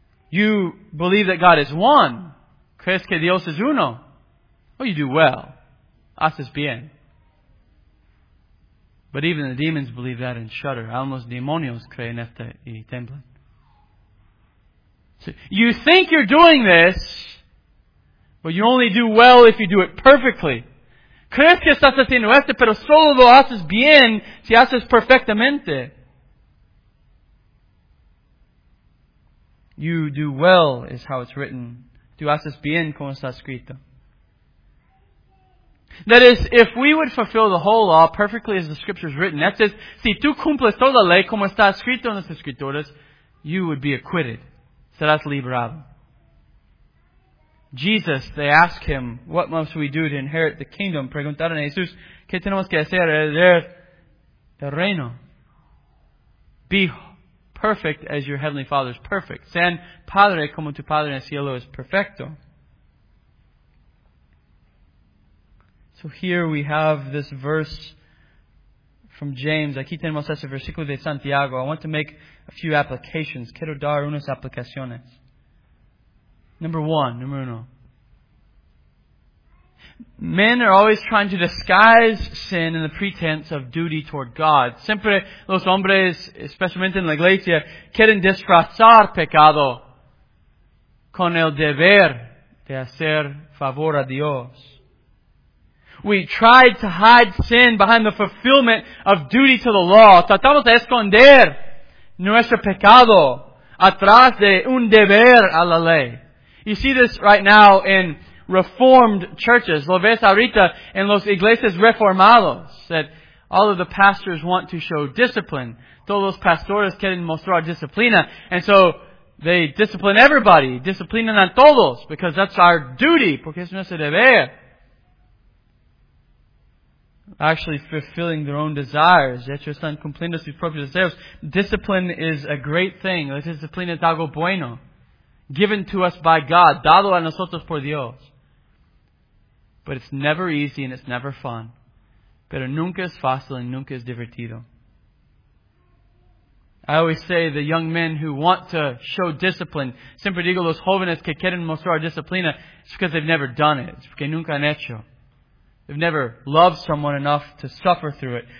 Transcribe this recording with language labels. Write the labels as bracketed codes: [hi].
[en] You believe that God is one. [es] ¿Crees que Dios es uno? [en] Well, you do well. [es] Haces bien. [en] But even the demons believe that and shudder. [es] Aún los demonios creen esto y temblan. [en] So you think you're doing this, but you only do well if you do it perfectly. [es] ¿Crees que estás haciendo esto, pero solo lo haces bien si haces perfectamente? [en] You do well is how it's written. [es] Tú haces bien como está escrito. [en] That is, if we would fulfill the whole law perfectly as the scripture is written, that is, [es] si tú cumples toda la ley como está escrito en las escrituras, [en] you would be acquitted. [es] Serás liberado. [en] Jesus, they ask him, what must we do to inherit the kingdom? [es] Preguntaron a Jesús, ¿qué tenemos que hacer para heredar el reino? [en] Be perfect as your heavenly Father is perfect. [es] Sean padre como tu padre en el cielo es perfecto. [en] So here we have this verse from James. [es] Aquí tenemos ese versículo de Santiago. [en] I want to make a few applications. [es] Quiero dar unas aplicaciones. Número uno. [en] Men are always trying to disguise sin in the pretense of duty toward God. [es] Siempre los hombres, especialmente en la iglesia, quieren disfrazar pecado con el deber de hacer favor a Dios. [en] We tried to hide sin behind the fulfillment of duty to the law. [es] Tratamos de esconder nuestro pecado atrás de un deber a la ley. [en] You see this right now in reformed churches. [es] Lo ves ahorita en los iglesias reformados. [en] That all of the pastors want to show discipline. [es] Todos los pastores quieren mostrar disciplina. [en] And so they discipline everybody. [es] Disciplinan a todos. [en] Because that's our duty. [es] Porque es nuestro deber. [en] Actually fulfilling their own desires. [es] De hecho están cumpliendo sus propios deseos. [en] Discipline is a great thing. [es] La disciplina es algo bueno. [en] Given to us by God, [es] dado a nosotros por Dios. [en] But it's never easy and it's never fun. [es] Pero nunca es fácil y nunca es divertido. [en] I always say the young men who want to show discipline, [es] siempre digo los jóvenes que quieren mostrar disciplina, [en] it's because they've never done it. It's [es] porque nunca han hecho. [en] They've never loved someone enough to suffer through it.